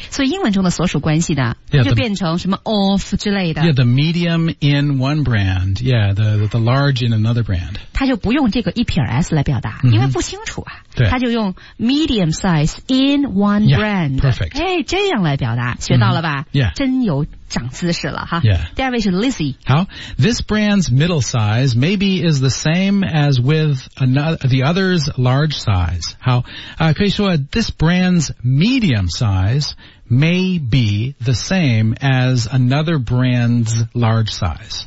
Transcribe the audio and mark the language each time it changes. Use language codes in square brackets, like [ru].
[zh] 所以英文中的所属关系呢 [en] yeah, [zh] 就变成什么 of 之类的 [en] Yeah, the medium in one brand Yeah, the large in another brand [zh] 它就不用这个一撇 s 来表达、 mm-hmm. 因为不清楚啊对他就用 [en] medium size in one brand yeah, perfect [zh] 哎，这样来表达学到了吧、 [en] mm-hmm. yeah. [zh] 真有长姿势了哈、 [en] yeah. [zh] 第二位是 Lizzie [en] 好 This brand's middle size maybe is the same as with another, the other's large size [zh] 好、可以说 [en] This brand's medium size may be the same as another brand's large size.